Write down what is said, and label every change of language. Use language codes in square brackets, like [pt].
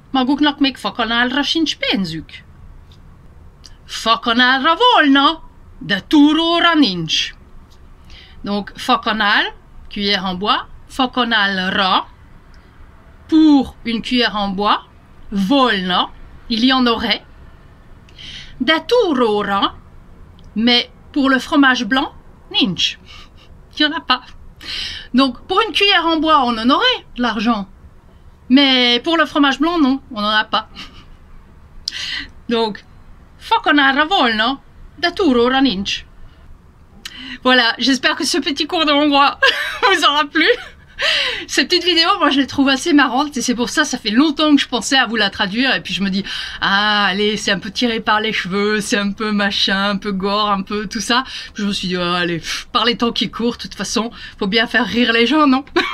[hu] Maguknak még fakanálra sincs pénzük. Fakanálra volna, de túróra nincs. [fr] Donc, fakanál, cuillère en bois. Fakanálra, pour une cuillère en bois. Volna, il y en aurait. [hu] De túróra, [fr] mais pour le fromage blanc, nincs. Il n'y en a pas. Donc, pour une cuillère en bois, on en aurait de l'argent. Mais pour le fromage blanc, non, on n'en a pas. [hu] Donc, fokonára volna, de túróra nincs. [fr] Voilà, j'espère que ce petit cours de hongrois vous aura plu. Cette petite vidéo, moi, je la trouve assez marrante. Et c'est pour ça, ça fait longtemps que je pensais à vous la traduire. Et puis, je me dis, ah, allez, c'est un peu tiré par les cheveux. C'est un peu machin, un peu gore, un peu tout ça. Puis je me suis dit, oh, allez, par les temps qui courent, de toute façon, faut bien faire rire les gens, non?